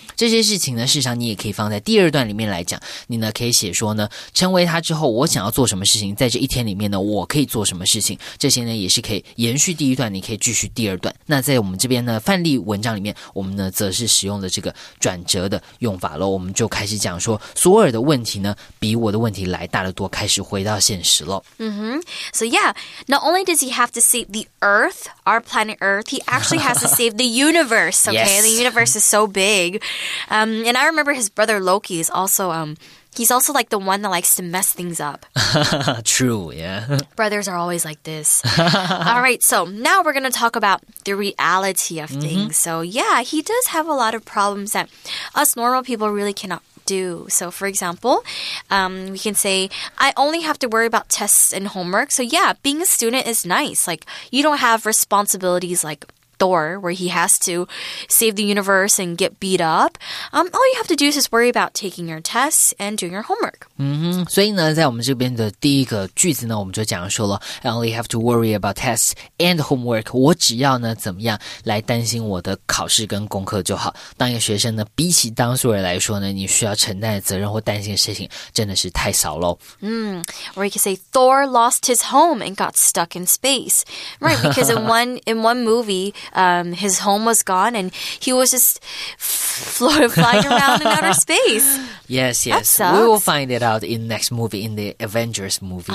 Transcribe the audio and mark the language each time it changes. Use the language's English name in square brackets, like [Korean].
[Chinese] 这些事情呢，事实上你也可以放在第二段里面来讲。你呢可以写说呢，成为他之后，我想要做什么事情，在这一天里面呢，我可以做什么事情，这些呢也是可以延续第一段，你可以继续第二段。那在我们这边呢，范例文章里面，我们呢则是使用了这个转折的用法喽。我们就开始讲说索尔的问题。比我的问题来大得多，开始回到现实了。 Mm-hmm. [English] So yeah, not only does he have to save the Earth, our planet Earth, he actually has to save the universe, okay? Yes. The universe is so big. And I remember his brother Loki is also, he's also like the one that likes to mess things up. True, yeah. Brothers are always like this. All right, so now we're going to talk about the reality of things. Mm-hmm. So yeah, he does have a lot of problems that us normal people really cannot do. So, for example, we can say, I only have to worry about tests and homework. So, yeah, being a student is nice. Like, you don't have responsibilities like Thor, where he has to save the universe and get beat up. All you have to do is just worry about taking your tests and doing your homework. [Chinese] 所以呢，在我们这边的第一个句子呢，我们就讲说了 [English] I only have to worry about tests and homework. [Chinese] 我只要呢怎么样来担心我的考试跟功课就好。当一个学生呢，比起当所有来说呢，你需要承担的责任或担心的事情真的是太少了。 [English] Or you can say Thor lost his home and got stuck in space. Right, because in one movie, his home was gone and he was just flying around in outer space. Yes, yes. We will find it out in next movie, in the Avengers movie.